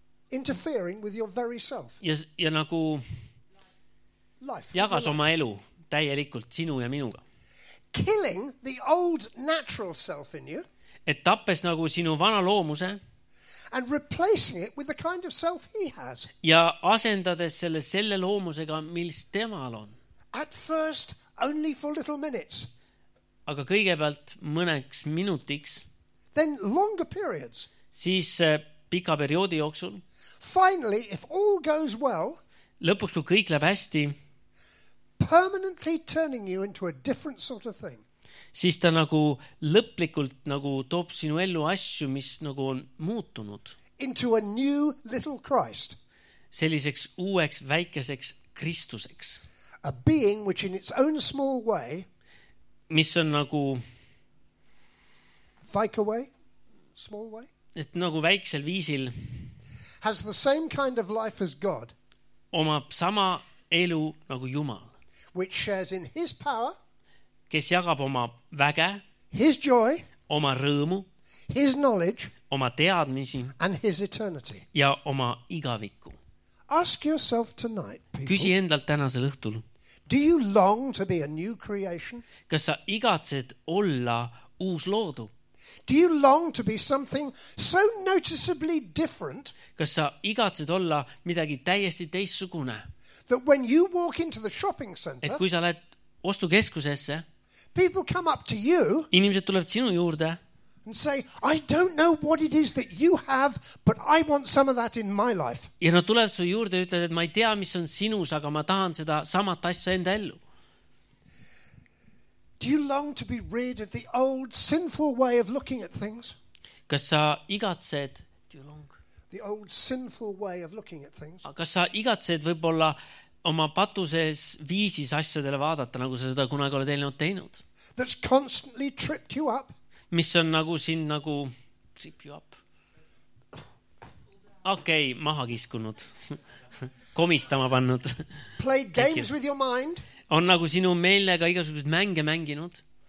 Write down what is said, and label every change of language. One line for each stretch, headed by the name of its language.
English: interfering with your very self.
Estonian: Ja nagu
English: life.
Estonian: Jagas oma elu täielikult sinu ja minuga.
English: Killing the old natural self in you.
Estonian: Et tappes nagu sinu vana loomuse.
English: And replacing it with the kind of self he has.
Estonian: Ja asendades selle loomusega, mis temal on.
English: At first only for little minutes.
Estonian: Aga kõigepealt mõneks minutiks.
English: Then longer periods.
Estonian: Siis pika perioodi jooksul.
English: Finally, if all goes well.
Estonian: Lõpuks kui kõik läheb hästi.
English: Permanently turning you into a different sort of thing.
Estonian: Siis ta nagu lõplikult nagu toob sinu ellu asju, mis nagu on muutunud.
English: Into a new little Christ.
Estonian: Selliseks uueks väikeseks Kristuseks.
English: A being which in its own small way.
Estonian: Mis on nagu
English: vaike way, small way.
Estonian: Et nagu väiksel viisil.
English: Has the same kind of life as God.
Estonian: Omab sama elu nagu Jumal.
English: Which shares in his power.
Estonian: Kes jagab oma väge,
English: his joy,
Estonian: oma rõõmu,
English: his knowledge,
Estonian: oma teadmisi,
English: and his eternity.
Estonian: Ja oma igaviku.
English: Ask yourself tonight, people.
Estonian: Küsi endalt tänasel õhtul.
English: Do you long to be a new creation?
Estonian: Kas sa igatsed olla uus loodu?
English: Do you long to be something so noticeably different?
Estonian: Kas sa igatsed olla midagi täiesti teissugune?
English: That when you walk into the shopping center,
Estonian: et kui sa lähed ostukeskusesse,
English: People come up to you.
Estonian: Inimesed tulevad sinu juurde.
English: And say, I don't know what it is that you have, but I want some of that in my life.
Estonian: Ja nad tulevad su juurde ja ütled, et ma ei tea, mis on sinus, aga ma tahan seda samat asja enda ellu.
English: Do you long to be rid of the old sinful way of looking at things?
Estonian: Kas sa igatsed?
English: Do you long? The old sinful way of looking at things.
Estonian: Kas sa igatsed võib-olla oma patuses viisis asjadele vaadata, nagu sa seda kunagi oled eelnud teinud?
English: That's constantly tripped you up.
Estonian: Mis on nagu siin nagu
English: trip you up.
Estonian: Okei, okay, maha kiskunud. Komistama pannud.
English: Played games with your mind.
Estonian: On nagu sinu meelega igasugused mänge mänginud.